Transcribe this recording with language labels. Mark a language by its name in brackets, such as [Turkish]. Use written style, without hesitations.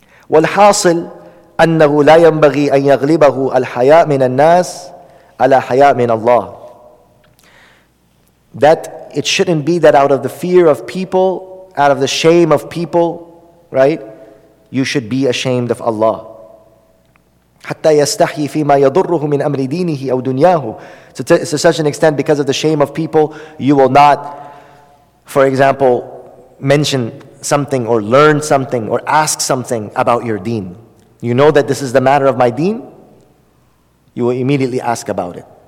[Arabic] والحاصل أنه لا ينبغي أن يغلبه الحياء من الناس على حياء من الله. [English] That it shouldn't be that out of the fear of people, out of the shame of people, right? You should be ashamed of Allah. [Arabic] حتى يستحي فيما يضره من أمر دينه أو دنياه. [English] So to such an extent, because of the shame of people, you will not, for example, mention something or learn something or ask something about your deen. You know that this is the matter of my deen, you will immediately ask about it.